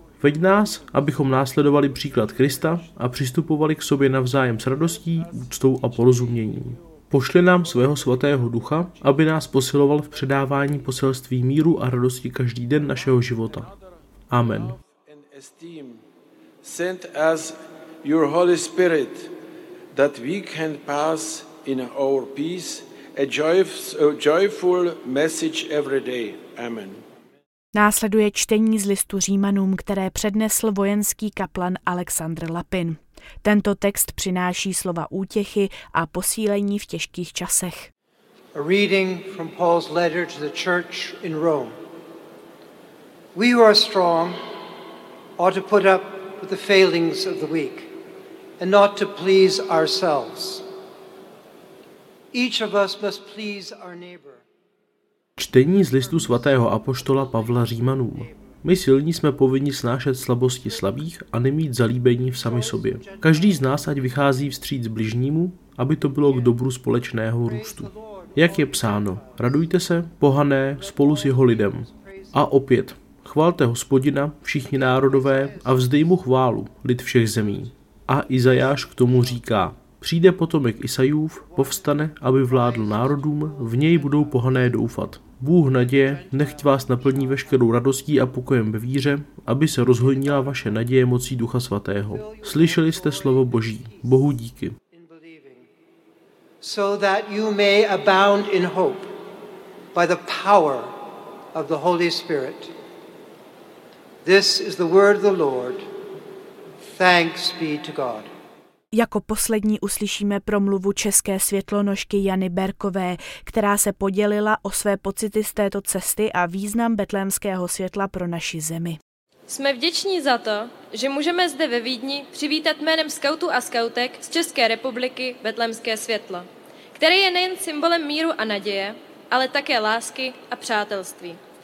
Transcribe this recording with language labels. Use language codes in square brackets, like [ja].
[cs] Veď nás, abychom následovali příklad Krista a přistupovali k sobě navzájem s radostí, úctou a porozuměním. Pošli nám svého svatého ducha, aby nás posiloval v předávání poselství míru a radosti každý den našeho života. Amen. [en] Send us your Holy Spirit, that we can pass in our peace a joyful message every day. Amen. [cs] Následuje čtení z listu Římanům, které přednesl vojenský kaplan Alexandr Lapin. Tento text přináší slova útěchy a posílení v těžkých časech. [en] A reading from Paul's letter to the church in Rome. We who are strong ought to put up with the failings of the weak and not to please ourselves. Each of us must please our neighbor. [cs] Čtení z listu svatého apoštola Pavla Římanům. My silní jsme povinni snášet slabosti slabých a nemít zalíbení v sami sobě. Každý z nás ať vychází vstříc bližnímu, aby to bylo k dobru společného růstu. Jak je psáno, radujte se, pohané, spolu s jeho lidem. A opět, chvalte Hospodina, všichni národové, a vzdej mu chválu, lid všech zemí. A Izajáš k tomu říká, přijde potomek Isajův, povstane, aby vládl národům, v něj budou pohané doufat. Bůh naděje, nechť vás naplní veškerou radostí a pokojem ve víře, aby se rozhojnila vaše naděje mocí Ducha Svatého. Slyšeli jste slovo Boží. Bohu díky. [en] So that you may abound in hope by the power of the Holy Spirit. This is the word of the Lord. Thanks be to God. [cs] Jako poslední uslyšíme promluvu české světlonožky Jany Berkové, která se podělila o své pocity z této cesty a význam betlémského světla pro naši zemi. Jsme vděční za to, že můžeme zde ve Vídni přivítat jménem skautů a skautek z České republiky betlémské světlo, které je nejen symbolem míru a naděje, ale také lásky a přátelství.